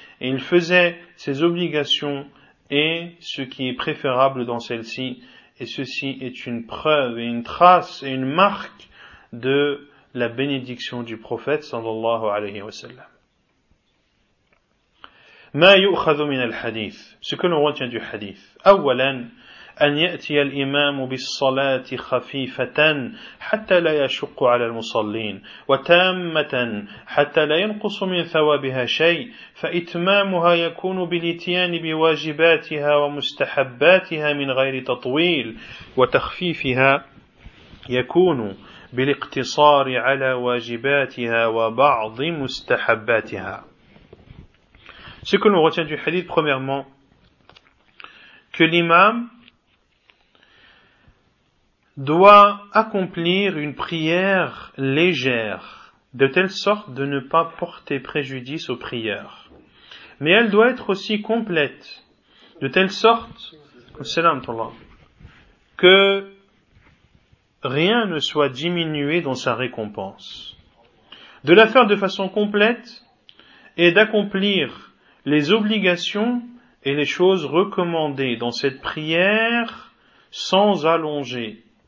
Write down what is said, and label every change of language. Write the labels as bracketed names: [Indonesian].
[French] Et il faisait ses obligations et ce qui est préférable dans celle-ci. Et ceci est une preuve et une trace et une marque de la bénédiction du prophète sallallahu alayhi wa sallam. [Arabic] Ma yu'khadhu min al-hadith. [French] Ce que l'on retient du hadith. [Arabic] Awalan. أن يأتي الإمام بالصلاة خفيفة حتى لا يشق على المصلين وتامة حتى لا ينقص من ثوابها شيء فإتمامها يكون بالإتيان بواجباتها ومستحباتها من غير تطويل وتخفيفها يكون بالاقتصار على واجباتها وبعض مستحباتها [French] Ce que nous retient du hadith, premièrement, que l'imam doit accomplir une prière légère, de telle sorte de ne pas porter préjudice aux prières. Mais elle doit être aussi complète, de telle sorte, que rien ne soit diminué dans sa récompense. De la faire de façon complète et d'accomplir les obligations et les choses recommandées dans cette prière sans allonger.